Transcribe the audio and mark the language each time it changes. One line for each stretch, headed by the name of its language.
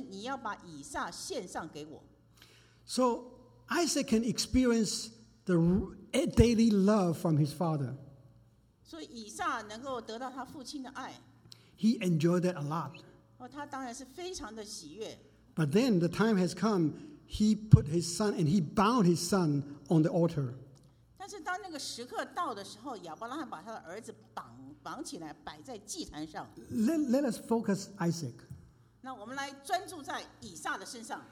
Chinese: 但是有一天神命令说你要把以撒献上给我。
English: So Isaac can experience the daily love from his father.
Chinese: 所以以撒能够得到他父亲的爱。
English: He enjoyed that a lot.
Chinese: 哦，他当然是非常的喜悦。
English: But then the time has come, he put his son and he bound his son on the altar.
Chinese: 但是当那个时刻到的时候，亚伯拉罕把他的儿子绑起来，摆在祭坛上。
English: Let us focus Isaac.
Chinese: 那我们来专注在以撒的身上。